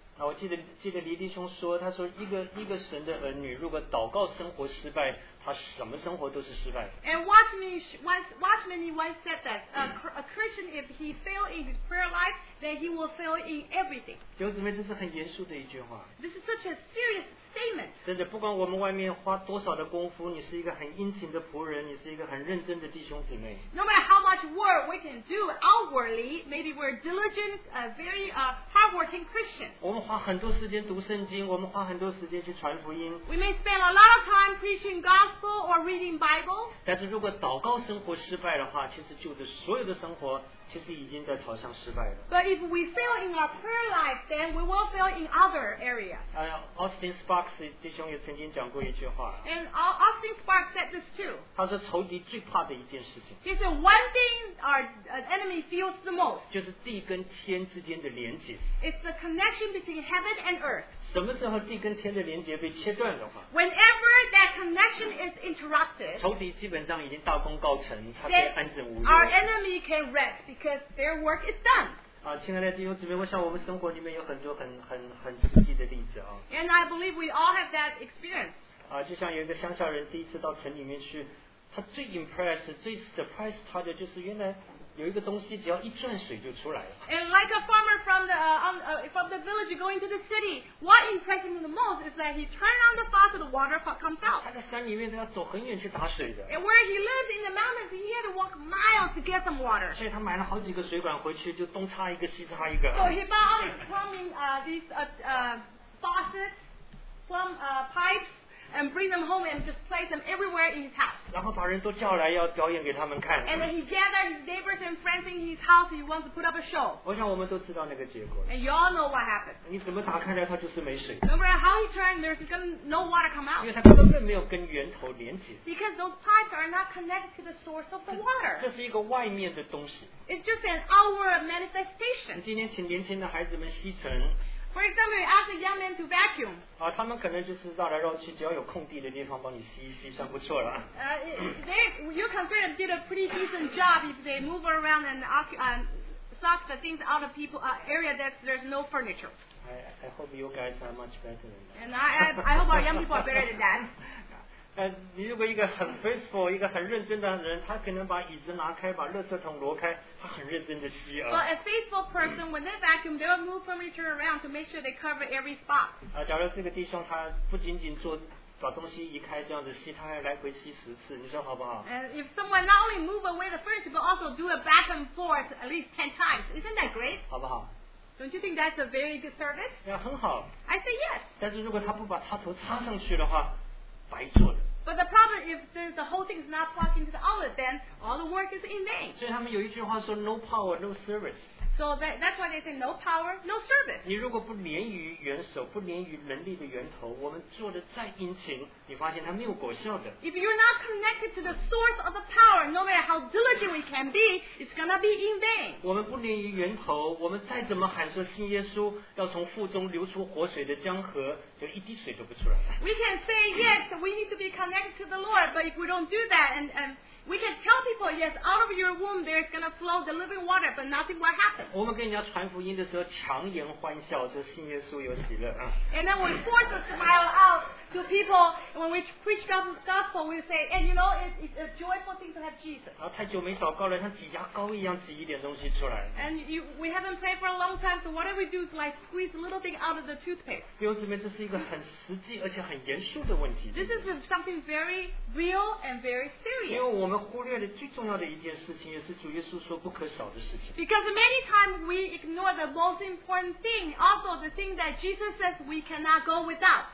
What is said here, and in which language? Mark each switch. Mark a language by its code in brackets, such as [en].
[zh] 我记得黎弟兄说，他说一个神的儿女如果祷告生活失败，他什么生活都是失败。 [en] And Watchman once said that a Christian, if he fails in his prayer life, then he will fail in everything. [zh] 弟兄姊妹，这是很严肃的一句话。 [en] This is such a serious statement. [zh] 真的，不管我们外面花多少的功夫，你是一个很殷勤的仆人，你是一个很认真的弟兄姊妹。 [en] No matter how much work we can do outwardly, maybe we're diligent, very hardworking Christian. [zh] 我们花很多时间读圣经，我们花很多时间去传福音。 [en] We may spend a lot of time preaching God. Or reading Bible. [zh] 但是如果祷告生活失败的话，其实就是所有的生活其实已经在朝向失败了。 [en] But if we fail in our prayer life, then we will fail in other areas. [zh] Austin Sparks 弟兄也曾经讲过一句话。 [en] And Austin Sparks said this too. [zh] 他说仇敌最怕的一件事情。 [en] He said one thing our enemy feels the most. [zh] 就是地跟天之间的连结。 [en] It's the connection between heaven and earth. [zh] 什么时候地跟天的连结被切断的话 [en] ？Whenever that connection is interrupted. [zh] 仇敌基本上已经大功告成，他可以安枕无忧。 [en] Our enemy can rest. Because their work is done. [zh] 亲爱的弟兄姊妹，我想我们生活里面有很多很实际的例子啊。 [en] And I believe we all have that experience. [zh] 就像有一个乡下人第一次到城里面去，他最 [en] impressed、 [zh] 最 [en] surprised [zh] 他的就是原来有一个东西只要一转水就出来了。 [en] And like a farmer from the from the village going to the city, what impressed him the most is that he turned on the faucet, the water comes out. [zh] 他在山里面他要走很远去打水的。 [en] And where he lived in the mountains, he had to walk miles to get some water. [zh] 所以他买了好几个水管回去，就东插一个西插一个。 [en] So he bought all these plumbing faucets, plumb pipes, and bring them home and just place them everywhere in his house. [zh] 然后把人都叫来要表演给他们看。 [en] And then he gathered his neighbors and friends in his house. He wants to put up a show. [zh] 我想我们都知道那个结果。 [en] And you all know what happened. [zh] 你怎么打开来，他就是没水。 [en] No matter how he turned, there's going to no water come out. [zh] 因为他根本没有跟源头连接。 [en] Because those pipes are not connected to the source of the water. [zh] 这是一个外面的东西。 [en] It's just an outward manifestation. [zh] 今天请年轻的孩子们吸尘。 [en] For example, you ask a young man to vacuum. [zh] 啊，他们可能就是绕来绕去，只要有空地的地方帮你吸一吸，算不错了。 [en] You consider them did a pretty decent job if they move around and suck the things out of people area that there's no furniture. I hope you guys are much better than that. And I hope our young people are better than that. [zh] 你如果一个很 [en] faithful, [zh] 一个很认真的人，他可能把椅子拿开，把垃圾桶挪开。 [en] But a faithful person, when they vacuum, they will move furniture around to make sure they cover every spot. [zh] 假如这个弟兄他不仅仅做把东西移开这样子吸，他还来回吸十次，你说好不好？ [en] And if someone not only move away the furniture but also do a back and forth at least 10 times, isn't that great? [zh] 好不好？ [en] Don't you think that's a very good service? [zh] 呀，很好。 [en] I say yes. [zh] 但是如果他不把插头插上去的话，白做的。 [en] But the problem is if the whole thing is not plugged into the outlet, then all the work is in vain. [zh] 所以他们有一句话说 [en] no power, no service. So that's why they say no power, no service. [zh] 你如果不连于元首，不连于能力的源头，我们做的再殷勤，你发现它没有果效的。 [en] If you're not connected to the source of the power, no matter how diligent we can be, it's going to be in vain. [zh] 我们不连于源头，我们再怎么喊说信耶稣要从腹中流出活水的江河，就一滴水都不出来。 [en] We can say yes, we need to be connected to the Lord, but if we don't do that, and we can tell people yes, out of your womb there is going to flow the living water, but nothing will happen. [zh] 我们跟人家传福音的时候强颜欢笑，说信耶稣有喜乐啊。 [en] And then we force a smile out to people when we preach gospel, we say, and you know, it's a joyful thing to have Jesus. [zh] 然后太久没祷告了，像挤牙膏一样挤一点东西出来。 [en] And we haven't prayed for a long time, so what do we do is like squeeze a little thing out of the toothpaste. [zh] 弟兄姊妹，这是一个很实际而且很严肃的问题。 [en] This is something very real and very serious. [zh] 因为我们忽略了最重要的一件事情，也是主耶稣说不可少的事情。 [en] Because many times we ignore the most important thing, also the thing that Jesus says we cannot go without.